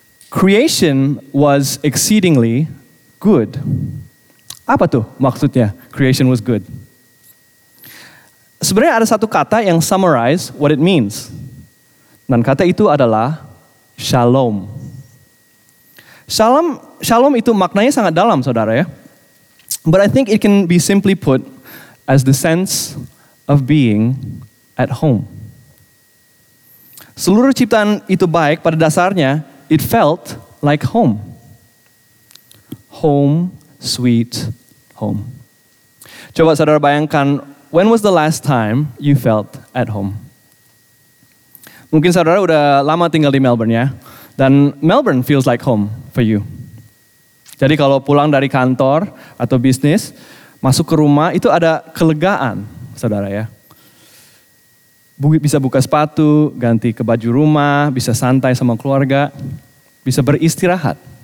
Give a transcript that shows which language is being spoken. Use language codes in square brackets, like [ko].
[en] Creation was exceedingly good. [id] Apa tuh maksudnya [en] creation was good? [id] Sebenarnya ada satu kata yang summarize [en] what it means. [id] Dan kata itu adalah Shalom. Shalom itu maknanya sangat dalam, saudara ya. [en] But I think it can be simply put as the sense of being at home. [id] Seluruh ciptaan itu baik pada dasarnya, [en] it felt like home. Home, sweet home. [id] Coba saudara bayangkan, [en] when was the last time you felt at home? [id] Mungkin saudara udah lama tinggal di Melbourne ya. Dan [en] Melbourne feels like home for you. [id] Jadi kalau pulang dari kantor atau bisnis, masuk ke rumah itu ada kelegaan, saudara ya. Bisa buka sepatu, ganti ke baju rumah, bisa santai sama keluarga, bisa beristirahat.